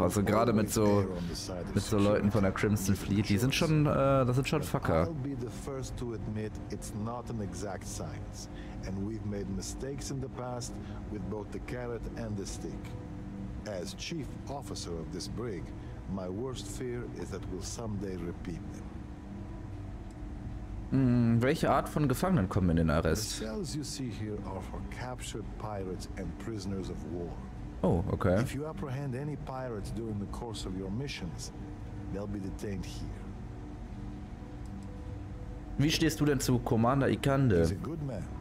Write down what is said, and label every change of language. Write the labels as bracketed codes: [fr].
[de] Also gerade mit so Leuten von der Crimson Fleet, die sind schon, das sind schon Fucker. [en] I'll be the first to admit it's not an exact science. And we've made mistakes in the past with both the carrot and the stick. As chief officer of this brig, my worst fear is that we'll someday repeat them. [de] Welche Art von Gefangenen kommen in den Arrest? [en] The cells you see here are for captured pirates and prisoners of war. Oh, okay. If you apprehend any pirates during the course of your missions, they'll be detained here. [de] Wie stehst du denn zu Commander Ikande? [en] He's a good man.